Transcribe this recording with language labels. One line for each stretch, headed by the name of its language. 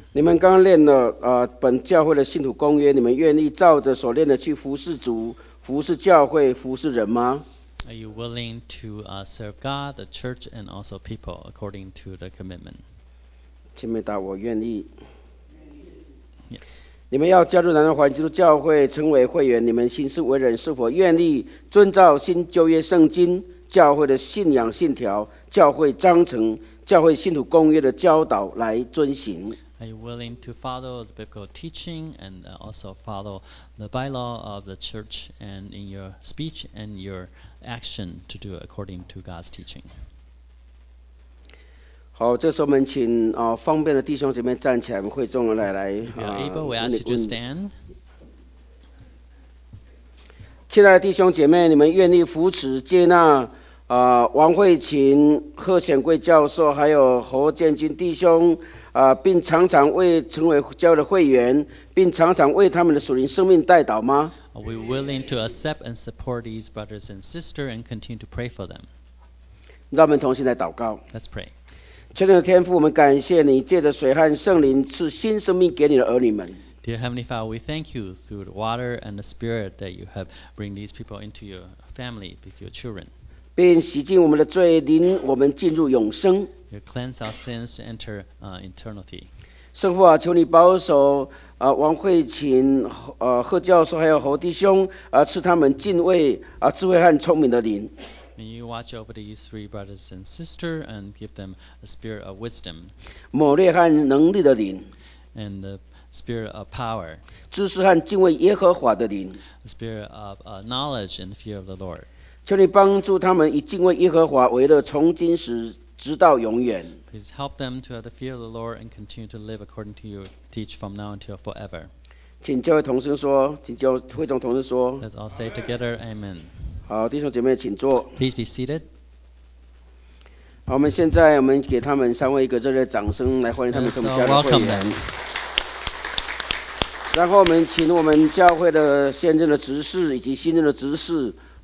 Chinese: 你们刚练了、本教会的信徒公约，你们愿意照着所练的去服侍主、服侍教会、服侍人吗？
English: Are you willing to serve God, the church, and also people according to the commitment?
Chinese: 请回答我愿意。
English: Yes.
Chinese: 你们要加入南安华人基督教会，成为会员，你们行事为人是否愿意遵照新旧约圣经教会的信仰信条、教会章程、教会信徒公约的教导来遵行？
English: Are you willing to follow the biblical teaching and also follow the bylaw of the church and in your speech and your action to do according to God's teaching?
Chinese: 好，这时候我们请、方便的弟兄姐妹站起来，我们会众来来。
English: If you're able, we ask you to stand.
Chinese: 亲爱的弟兄姐妹，你们愿意扶持接纳、王慧琴、贺显贵教授还有侯建军弟兄、并常常为成为教会的会员，并常常为他们的属灵生命代祷吗？
English: Are we willing to accept and support these brothers and sisters and continue to pray for them?
Chinese: 让我们同心来祷告。
English: Let's pray.
Chinese: 全能的天父，我们感谢你借着水和圣灵赐新生命给你的儿女们。
English: Dear Heavenly Father, we thank you through the water and the Spirit that you have bring these people into your family, your children.
Chinese: 并洗净我们的罪，领我们进入永生。
English: You cleanse our sins to enter eternity.
Chinese: 圣父啊，求你保守。王慧琴、贺教授还有侯弟兄、赐他们敬畏、智慧和聪明的灵。
English: May you watch over these three brothers and sisters and give them a spirit of wisdom.
Chinese: 谋略和能力的灵。
English: And the spirit of power.
Chinese: 知识和敬畏耶和华的灵。
English: The spirit of knowledge and fear of the Lord.
Chinese: 求你帮助他们以敬畏耶和华为乐，从今时直到永远。
English: Please help them to have the fear of the Lord and continue to live according to your teach from now until forever.
Chinese: 请教会同声说，请教会众同声说。
English: Let's all say together, Amen.
Chinese: 好，弟兄姐妹请坐。
English: Please be seated.
Chinese: 好，我们现在我们给他们三位一个热烈的掌声，来欢迎他们成为教会会员。然后我们请我们教会的现任的执事以及新任的执事。